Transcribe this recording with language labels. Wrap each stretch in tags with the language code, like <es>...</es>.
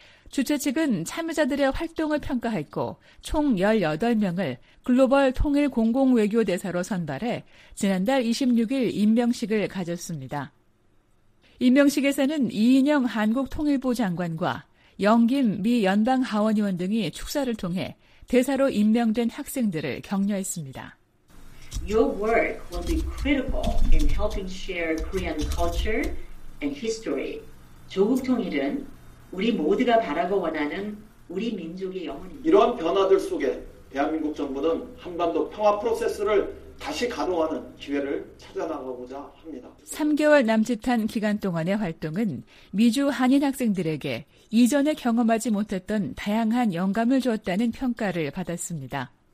<ko>주최 측은 참여자들의 활동을 평가했고 총 18명을 글로벌 통일 공공외교대사로 선발해 지난달 26일 임명식을 가졌습니다. 임명식에서는 이인영 한국통일부 장관과 영김 미 연방 하원의원 등이 축사를 통해 대사로 임명된 학생들을 격려했습니다.</ko> <en>Your work will be critical in helping share Korean culture and history.</en> <ko>조국 통일은 우리 모두가 바라고 원하는 우리 민족의 영혼입니다. 이러한 변화들 속에 대한민국 정부는 한반도 평화 프로세스를 다시 가동하는 기회를 찾아나가고자 합니다. 3개월 남짓한 기간 동안의 활동은 미주 한인 학생들에게 이전에 경험하지 못했던 다양한 영감을 주었다는 평가를 받았습니다.</ko>